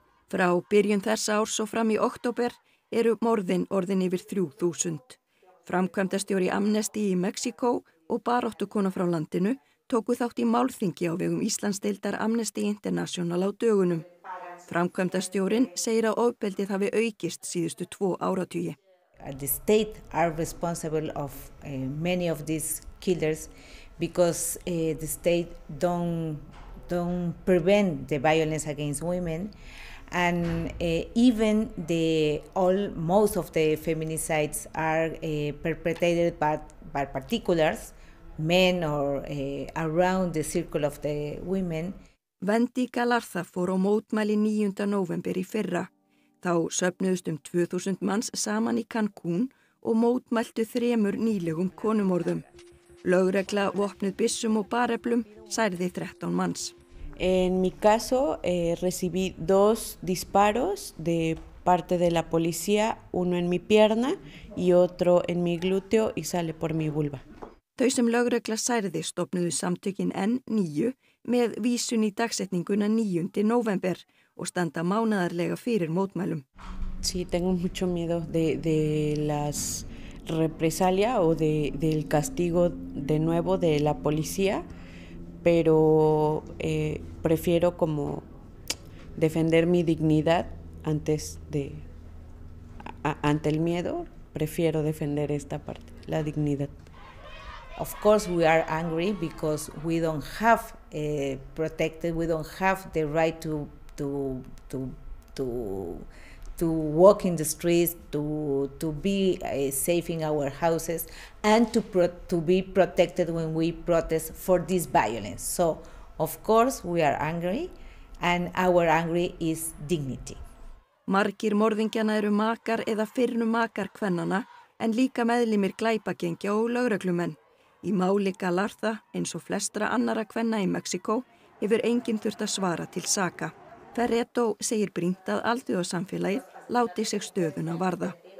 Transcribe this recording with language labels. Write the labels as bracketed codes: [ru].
[is] Frá byrjun þessa árs og fram í október eru morðin orðin yfir 3000. Framkvæmdastjóri Amnesty í Mexíkó og baráttukona frá landinu tóku þátt í málþingi á vegum Íslandsdeildar Amnesty International á dögunum. Framkvæmdastjórinn segir að ofbeldið hafi aukist síðustu 2 áratugi. [en] The state are responsible of many of these killers because the state don't prevent the violence against women. And even the most of the feminicides are perpetrated by particulars, men or around the circle of the women. [is] Wendy Galarza fór á mótmæli 9. november í fyrra. Þá söfnuðust 2000 manns saman í Cancún og mótmæltu 3 nýlegum konumorðum. Lögregla vopnuð byssum og bareflum særði 13 manns. [es] En mi caso recibí 2 disparos de parte de la policía, uno en mi pierna y otro en mi glúteo y sale por mi vulva. [is] Þau sem lögregla særði stofnuðu samtökin N9 með vísun í dagsetninguna 9. november og standa mánaðarlega fyrir mótmælum. [es] Sí, tengo mucho miedo de las represalias o del castigo de nuevo de la policía. Pero prefiero como defender mi dignidad ante el miedo, prefiero defender esta parte, la dignidad. [en] Of course we are angry because we don't have protected, we don't have the right to walk in the streets, to be safe in our houses, and to be protected when we protest for this violence. So, of course, we are angry, and our anger is dignity. [is] Margir morðingjana eru makar eða fyrrum makar kvennana, en líka meðlimir glæpagengja og lögreglumenn. Í máli Galarza, eins og flestra annara kvenna í Mexíkó, hefur enginn þurft að svara til saka. Ferreto segir brýnt að alþjóðasamfélagið láti sig stöðuna varða.